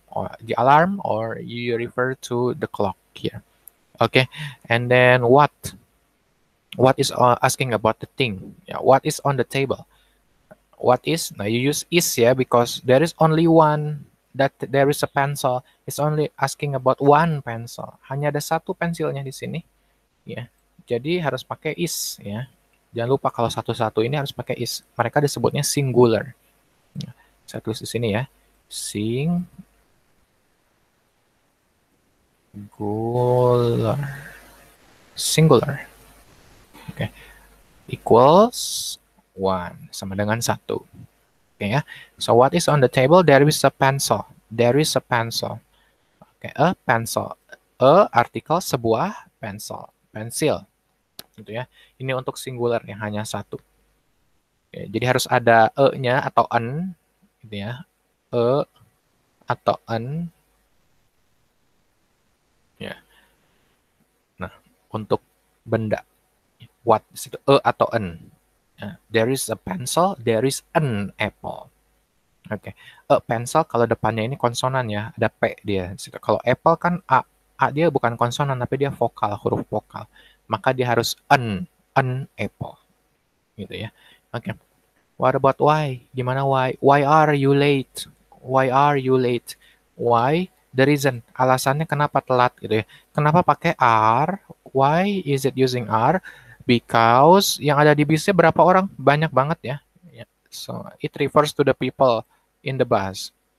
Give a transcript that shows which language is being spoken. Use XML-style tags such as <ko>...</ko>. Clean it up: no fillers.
<en>Or the alarm or you refer to the clock here. Okay. And then what? What is asking about the thing? Yeah, what is on the table? What is? Now you use is, yeah, because there is only one, that there is a pencil. It's only asking about one pencil.</en> <id>Hanya ada satu pensilnya di sini. Yeah. Jadi harus pakai is. Yeah. Jangan lupa kalau satu-satu ini harus pakai is. Mereka disebutnya singular. Yeah. Saya tulis di sini ya.</id> <en>Singular. Singular. Okay. Equals one</en> <id>sama dengan satu.</id> <en>Okay, ya. So what is on the table? There is a pencil. There is a pencil. Okay, a pencil.</en> <id>A article sebuah pencil. Pensil. Gitu ya. Ini untuk singular yang hanya satu. Okay, jadi harus ada a-nya atau an gitu ya. A atau an.</id> <en>Ya. Yeah.</en> <id>Nah, untuk benda</id> <en>what is it, a atau an? There is a pencil, there is an apple. Oke.</en> <id>Okay. A pencil kalau depannya ini konsonan ya, ada p dia. Kalau apple kan a, a dia bukan konsonan tapi dia vokal, huruf vokal. Maka dia harus</id> <en>an apple.</en> <id>Gitu ya. Oke. Okay.</id> <en>What about why?</en> <id>Gimana why?</id> <en>Why are you late? Why are you late? Why? The reason.</en> <id>Alasannya kenapa telat gitu ya. Kenapa pakai are?</id> <en>Why is it using are? Because</en> <id>yang ada di bisnya berapa orang? Banyak banget ya.</id> <en>So, it refers to the people in the bus.</en>